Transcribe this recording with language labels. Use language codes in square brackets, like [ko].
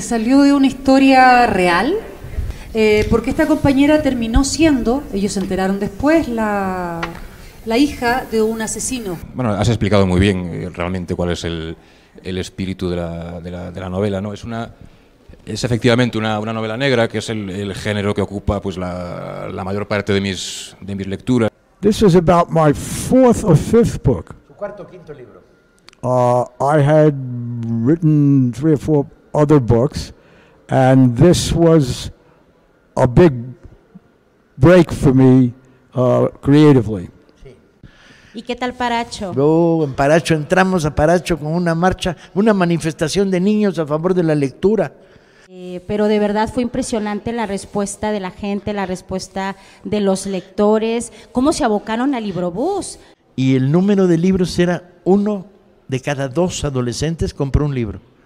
[es] Salió de una historia real, porque esta compañera terminó siendo, ellos se enteraron después, la hija de un asesino. Bueno, has explicado muy bien realmente cuál es el espíritu de la novela, ¿no? Es efectivamente una novela negra, que es el género que ocupa pues la mayor parte de mis lecturas. [en] This is about my fourth or fifth book. [es] Su cuarto o quinto libro. [en] I had written three or four other books, and this was a big break for me creatively. [es] ¿Y qué tal Paracho? En Paracho entramos a Paracho con una marcha, una manifestación de niños a favor de la lectura. Pero de verdad fue impresionante la respuesta de la gente, la respuesta de los lectores, cómo se abocaron al Librobús. Y el número de libros era uno de cada dos adolescentes compró un libro.